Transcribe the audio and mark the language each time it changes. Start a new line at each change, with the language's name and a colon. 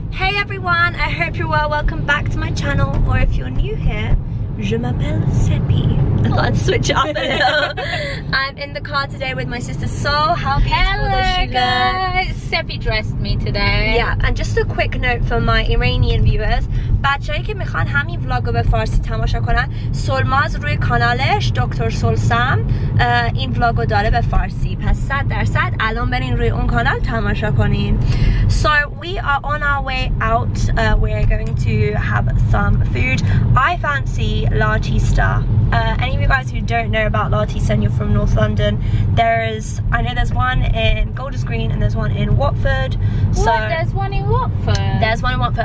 English: Hey everyone, I hope you're well. Welcome back to my channel, or if you're new here,
French: je m'appelle Seppi.
English: I thought I'd switch up a little. I'm in the car today with my sister Sol. How beautiful does she look? Hello guys, Seppi dressed me today. Yeah, and just a quick note for my Iranian viewers.
Persian: بچه‌هایی که میخوان همین ولاگ رو به فارسی تماشا کنن، سلماز روی کانالش دکتر سلسام این ولاگ رو داره به فارسی. پس 100% الان برین روی اون کانال تماشا کنین.
English: So we are on our way out. We are going to have some food. I fancy Lartista. Any of you guys who don't know about Lartista and you're from North London, I know there's one in Golders Green and there's one in Watford. There's one in Watford.